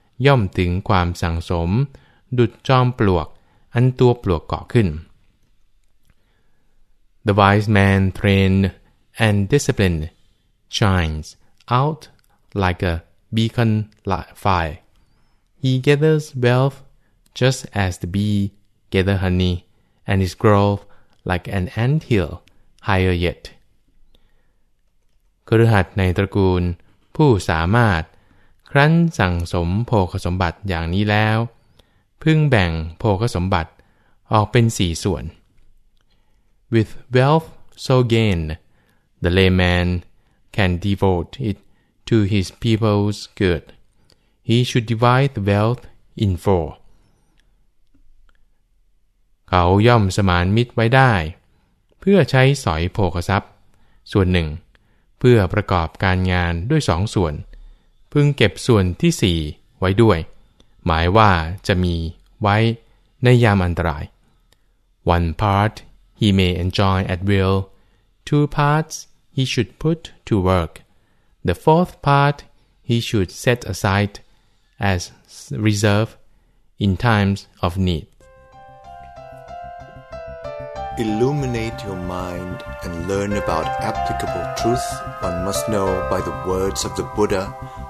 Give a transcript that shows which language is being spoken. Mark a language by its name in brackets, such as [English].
[Thai] ย่อมถึงความสังสมดุจจอมปลวกอันตัวปลวกก่อขึ้น [English] The wise man trained and disciplined shines out like a beacon fire. He gathers wealth just as the bee gather honey, and his growth like an anthill higher yet. [Thai] คฤหัสถ์ในตระกูลผู้สามารถครั้นสั่งสมโภคสมบัติอย่างนี้แล้วพึ่งแบ่งโภคสมบัติออกเป็นสี่ส่วน [English] With wealth so gained, the layman can devote it to his people's good. He should divide the wealth in four. [Thai] เขาย่อมสมานมิตรไว้ได้เพื่อใช้สอยโภคทรัพย์ส่วนหนึ่งเพื่อประกอบการงานด้วยสองส่วนพึงเก็บส่วนที่สี่ไว้ด้วยหมายว่าจะมีไว้ในยามอันตราย [English] One part he may enjoy at will, two parts he should put to work, the fourth part he should set aside as reserve in times of need. Illuminate your mind and learn about applicable truth one must know by the words of the Buddha.